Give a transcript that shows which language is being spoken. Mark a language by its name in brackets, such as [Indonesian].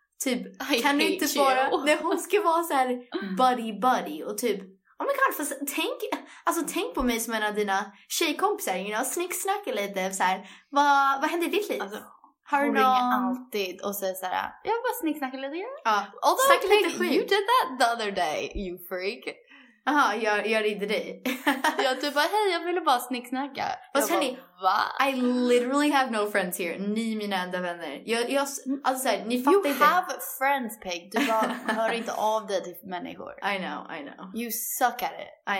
[Swedish] Typ, I kan du inte bara, när hon ska vara så här buddy buddy och typ, [English] oh my god, [Swedish] fast tänk, alltså tänk på mig som en av dina tjejkompisar, [English] you know, [Swedish] snicksnacka lite, så här, vad händer i ditt liv? Alltså, hör hon ringer alltid och säger såhär, jag bara snicksnacka lite grann. [English] Although, [Swedish] snacka lite skit. [English] You did that the other day, you freak. [Swedish] Aha, jag ringde dig. Jag typ bara, hej, jag ville bara snicksnacka. Fast hörni, [English] I literally have no friends here. [Swedish] Ni är mina enda vänner. Alltså såhär, ni fattar inte. [English] You have friends, Peg. [Swedish] Du bara hör inte av dig till människor. [English] I know. You suck at it.